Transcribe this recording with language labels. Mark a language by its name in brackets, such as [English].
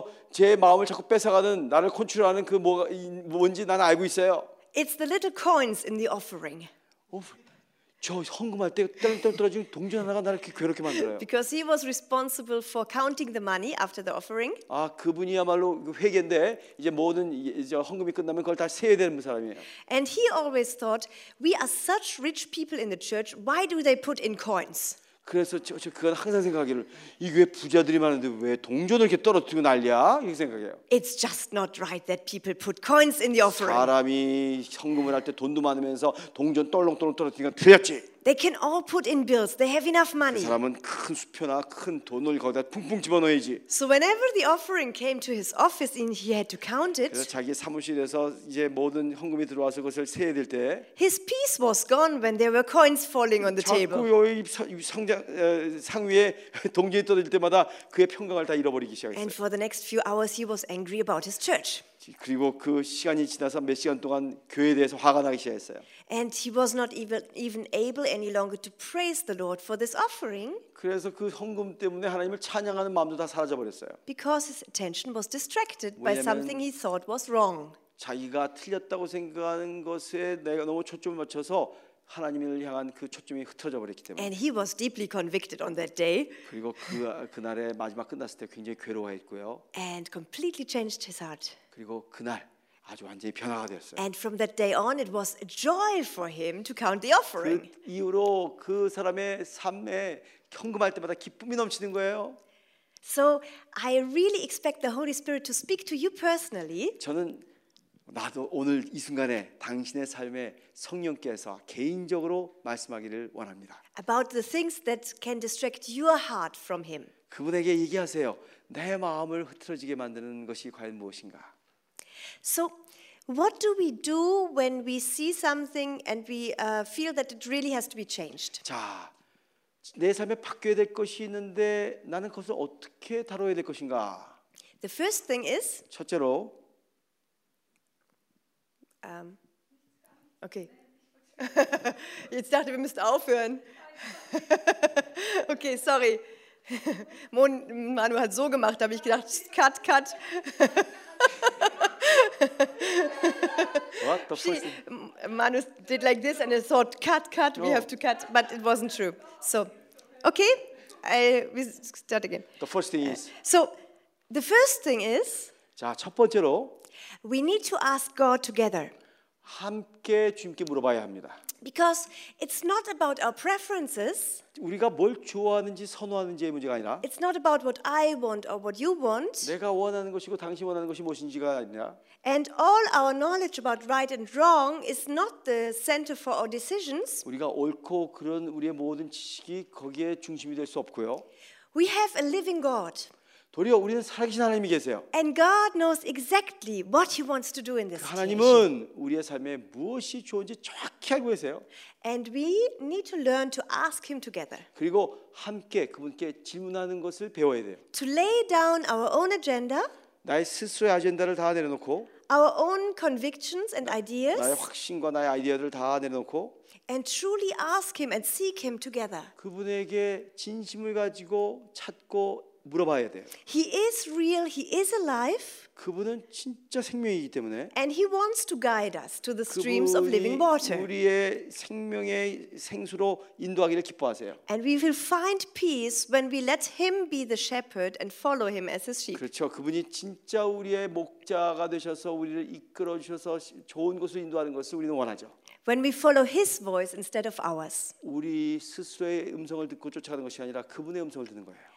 [Korean] 제 마음을 자꾸 뺏어가는 나를 컨트롤하는 그 뭔지 나는 알고 있어요. [English] It's the little coins in the offering. [Korean] 저 헌금할 때 떨떨 떨어진 동전 하나가 나를 이렇게 괴롭게 만들어요. [English] Because he was responsible for counting the money after the offering. [Korean] 그분이야말로 회계인데 이제 모든 이제 헌금이 끝나면 그걸 다 세야 되는 사람이에요. [English] And he always thought, we are such rich people in the church. Why do they put in coins? [Korean] 그래서 저 그건 항상 생각하기를 이게 왜 부자들이 많은데 왜 동전을 이렇게 떨어뜨리고 난리야? 이렇게 생각해요. [English] It's just not right that people put coins in the offering. [Korean] 사람이 현금을 할 때 돈도 많으면서 동전 똘렁똘렁 떨어뜨리는 건 틀렸지. [English] They can all put in bills. They have enough money. [Korean] 그 사람은 큰 수표나 큰 돈을 거기다 풍풍 집어넣어야지. [English] So whenever the offering came to his office and he had to count it. [Korean] 그래서 자기 사무실에서 이제 모든 현금이 들어와서 그것을 세야 될 때 [English] his peace was gone when there were coins falling on the table. [Korean] 자꾸 상 위에 동전이 떨어질 때마다 그의 평강을 다 잃어버리기 시작했어요. [English] And for the next few hours he was angry about his church. [Korean] 그리고 그 시간이 지나서 몇 시간 동안 교회에 대해서 화가 나기 시작했어요. [English] And he was not even able any longer to praise the Lord for this offering. [Korean] 그래서 그 헌금 때문에 하나님을 찬양하는 마음도 다 사라져 버렸어요. [English] Because his attention was distracted by something he thought was wrong. [Korean] 자기가 틀렸다고 생각하는 것에 내가 너무 초점을 맞춰서 하나님을 향한 그 초점이 흩어져 버렸기 때문에. [English] And he was deeply convicted on that day. [Korean] 그리고 그날의 마지막 끝났을 때 굉장히 괴로워했고요. [English] And completely changed his heart. [Korean] 그리고 그날 아주 완전히 변화가 되었어요. [English] And from that day on, it was a joy for him to count the offering. [Korean] 그 이후로 그 사람의 삶에 현금할 때마다 기쁨이 넘치는 거예요. [English] So I really expect the Holy Spirit to speak to you personally. [Korean] 저는 나도 오늘 이 순간에 당신의 삶에 성령께서 개인적으로 말씀하기를 원합니다. [English] About the things that can distract your heart from him. [Korean] 그분에게 얘기하세요. 내 마음을 흐트러지게 만드는 것이 과연 무엇인가? [English] So, what do we do when we see something and we feel that it really has to be changed? [Korean] 자, 내 삶에 바뀌어야 될 것이 있는데 나는 그것을 어떻게 다뤄야 될 것인가? [English] The first thing is [Korean] 첫째로 [English] okay. [German] Jetzt dachte, wir müssten aufhören. Okay, sorry. Manu hat so gemacht, da habe ich gedacht, cut, cut. [English] What the fuck? Manu did like this and I thought, cut, cut, no. We have to cut, but it wasn't true. So, okay, we start again. The first thing is. So, the first thing is. [Korean] 자, 첫 번째로 [English] We need to ask God together. [Korean] 함께 주님께 물어봐야 합니다. [English] Because it's not about our preferences. [Korean] 우리가 뭘 좋아하는지 선호하는지의 문제가 아니라 [English] It's not about what I want or what you want. [Korean] 내가 원하는 것이고 당신 원하는 것이 무엇인지가 아니라 [English] And all our knowledge about right and wrong is not the center for our decisions. [Korean] 우리가 옳고 그런 우리의 모든 지식이 거기에 중심이 될 수 없고요. [English] We have a living God. [Korean] 도리어 우리는 살아계신 하나님이 계세요. [English] And God knows exactly what He wants to do in this. [Korean] 하나님은 우리의 삶에 무엇이 좋은지 정확히 알고 계세요. [English] And we need to learn to ask Him together. [Korean] 그리고 함께 그분께 질문하는 것을 배워야 돼요. [English] To lay down our own agenda. [Korean] 나의 스스로의 아젠다를 다 내려놓고. [English] Our own convictions and ideas. [Korean] 나의 확신과 나의 아이디어를 다 내려놓고. [English] And truly ask Him and seek Him together. [Korean] 그분에게 진심을 가지고 찾고 물어봐야 돼요. [English] He is real. He is alive. [Korean] 그분은 진짜 생명이기 때문에. [English] And he wants to guide us to the streams of living water. [Korean] 우리의 생명의 생수로 인도하기를 기뻐하세요. [English] And we will find peace when we let him be the shepherd and follow him as his sheep. [Korean] 그렇죠. 그분이 진짜 우리의 목자가 되셔서 우리를 이끌어 주셔서 좋은 곳으로 인도하는 것을 우리는 원하죠. [English] When we follow His voice instead of ours. [Korean] 우리 스스로의 음성을 듣고 쫓아가는 것이 아니라 그분의 음성을 듣는 거예요.